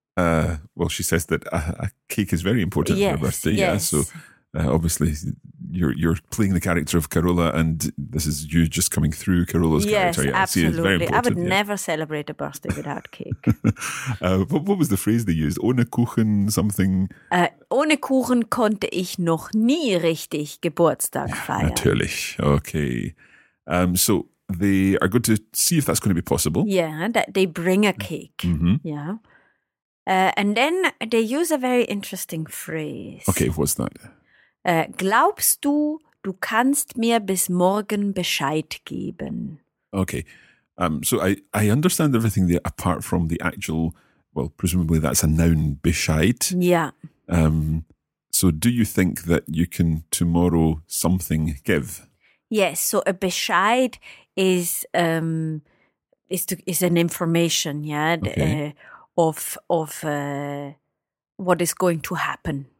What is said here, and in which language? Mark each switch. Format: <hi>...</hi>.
<en>Well, she says that a cake is very important for her birthday. Yes. Yeah, so Obviously, you're playing the character of Carola, and this is you just coming through Carola's character. Yes, absolutely. I see, it's very important. I would never celebrate a birthday without cake. what was the phrase they used?</en> <de>Ohne Kuchen</de> <en>something?</en> <de>Ohne Kuchen konnte ich noch nie richtig Geburtstag feiern. Natürlich. Okay.</de> <en>So they are going to see if that's going to be possible. Yeah, that they bring a cake. Mm-hmm. Yeah. And then they use a very interesting phrase. Okay, what's that?</en> <de>Glaubst du, du kannst mir bis morgen Bescheid geben?</de> <en>Okay, so I understand everything there apart from the actual, well, presumably that's a noun, Bescheid. Yeah. So do you think that you can tomorrow something give? Yes, so a Bescheid is an information, yeah, what is going to happen.</en>